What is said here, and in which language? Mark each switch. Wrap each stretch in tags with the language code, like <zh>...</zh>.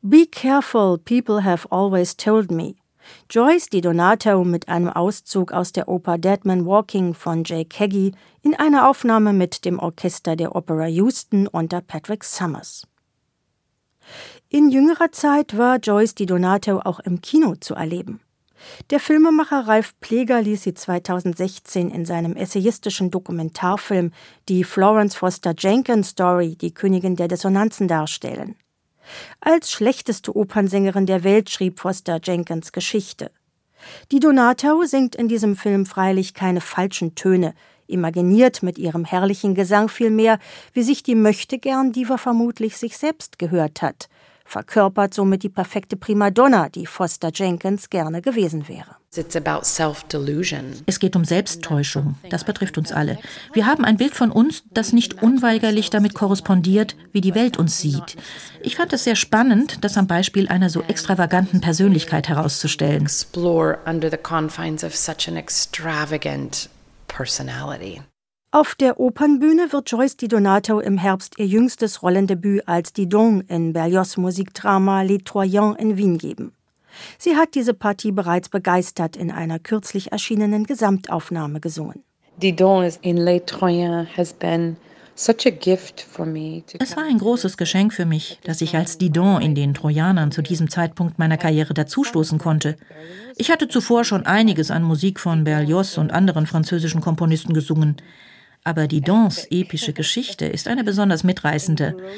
<en>Careful, people have always told me.</en> <de>Joyce DiDonato mit einem Auszug aus der Oper Dead Man Walking von Jake Heggie in einer Aufnahme mit dem Orchester der Opera Houston unter Patrick Summers. In jüngerer Zeit war Joyce DiDonato auch im Kino zu erleben. Der Filmemacher Ralf Pleger ließ sie 2016 in seinem essayistischen Dokumentarfilm Die Florence Foster Jenkins Story, die Königin der Dissonanzen darstellen. Als schlechteste Opernsängerin der Welt schrieb Foster Jenkins Geschichte. Die Donatau singt in diesem Film freilich keine falschen Töne, imaginiert mit ihrem herrlichen Gesang vielmehr, wie sich die Möchtegern-Diva vermutlich sich selbst gehört hat, verkörpert somit die perfekte Primadonna, die Foster Jenkins gerne gewesen wäre.</de> <en>It's about self-delusion.</en> <de>Es geht um Selbsttäuschung. Das betrifft uns alle. Wir haben ein Bild von uns, das nicht unweigerlich damit korrespondiert, wie die Welt uns sieht. Ich fand es sehr spannend, das am Beispiel einer so extravaganten Persönlichkeit herauszustellen.</de> <en>Explore under the confines of such an extravagant personality.</en> <de>Auf der Opernbühne wird Joyce DiDonato im Herbst ihr jüngstes Rollendebüt als Didon in Berlioz' Musikdrama Les Troyens in Wien geben. Sie hat diese Partie bereits begeistert in einer kürzlich erschienenen Gesamtaufnahme gesungen.</de> <en>Didon in Les Troyens has been such a gift for me.</en> <de>Es war ein großes Geschenk für mich, dass ich als Didon in den Trojanern zu diesem Zeitpunkt meiner Karriere dazustoßen konnte. Ich hatte zuvor schon einiges an Musik von Berlioz und anderen französischen Komponisten gesungen. Aber Didons epische Geschichte ist eine besonders mitreißende.</de>